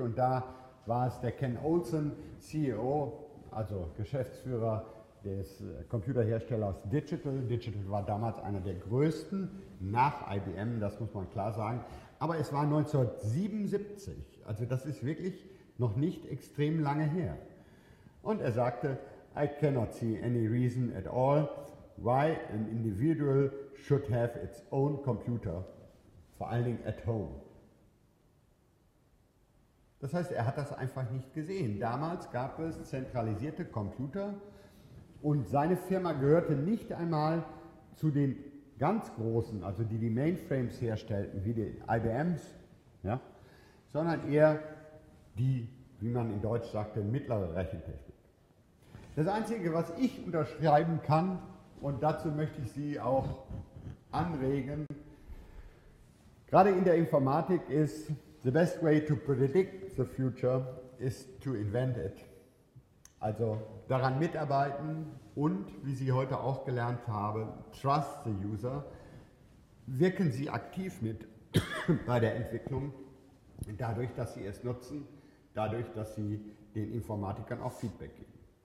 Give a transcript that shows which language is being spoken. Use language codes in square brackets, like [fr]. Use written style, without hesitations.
[de] Und da war es der Ken Olson, CEO, also Geschäftsführer des Computerherstellers Digital. Digital war damals einer der größten nach IBM, das muss man klar sagen. Aber es war 1977, also das ist wirklich noch nicht extrem lange her. Und er sagte, [en] I cannot see any reason at all why an individual should have its own computer, [de] vor allen Dingen [en] at home. [de] Das heißt, er hat das einfach nicht gesehen. Damals gab es zentralisierte Computer und seine Firma gehörte nicht einmal zu den ganz großen, also die Mainframes herstellten, wie die IBMs, ja, sondern eher die, wie man in Deutsch sagte, mittlere Rechentechnik. Das Einzige, was ich unterschreiben kann, und dazu möchte ich Sie auch anregen, gerade in der Informatik ist, [en] The best way to predict the future is to invent it. [de] Also daran mitarbeiten und, wie Sie heute auch gelernt haben, [en] trust the user. [de] Wirken Sie aktiv mit bei der Entwicklung, dadurch, dass Sie es nutzen, dadurch, dass Sie den Informatikern auch Feedback geben.